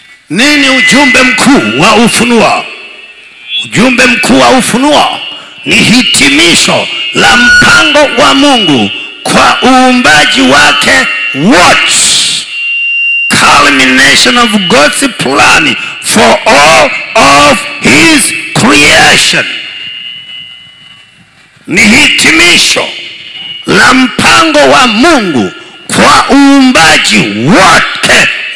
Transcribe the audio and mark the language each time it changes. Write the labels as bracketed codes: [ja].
[sw] Nini ujumbe mkuu wa Ufunuo? Ujumbe mkuu wa Ufunuo ni hitimisho la mpango wa Mungu kwa uumbaji wake wote. [en] Culmination of God's plan for all of his creation. [sw] Ni hitimisho la mpango wa Mungu kwa uumbaji wote.